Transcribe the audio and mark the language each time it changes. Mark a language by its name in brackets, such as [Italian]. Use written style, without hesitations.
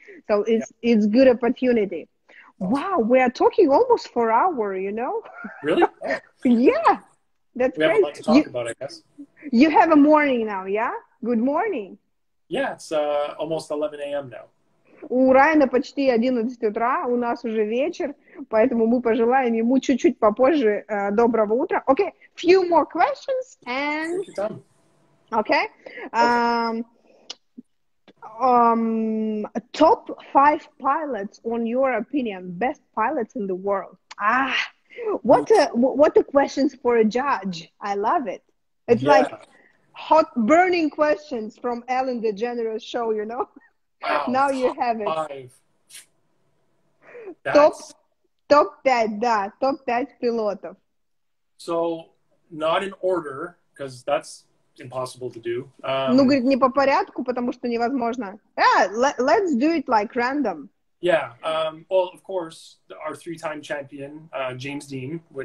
[English] So it's good opportunity. Wow, we are talking almost for hour, you know? Really? Yeah. That's great. We have a lot to talk about, I guess. You have a morning now, yeah? Good morning. Yeah, it's almost 11 a.m. now. [Russian] У Райана почти 11 утра, у нас уже вечер, поэтому мы пожелаем ему чуть-чуть попозже доброго утра. [English] Окей, okay. Few more questions and... Окей. Top 5 pilots on your opinion, best pilots in the world. Ah, what a questions for a judge. I love it. It's yeah. like hot burning questions from Ellen DeGeneres show, you know. Wow, now you have it. Top 5 pilotов. So, not in order, because that's impossible to do. [Russian] Ну, говорит, не по порядку, потому что невозможно. [English] Yeah, let's do it like random. Yeah, well, of course, our 3-time champion, James Dean.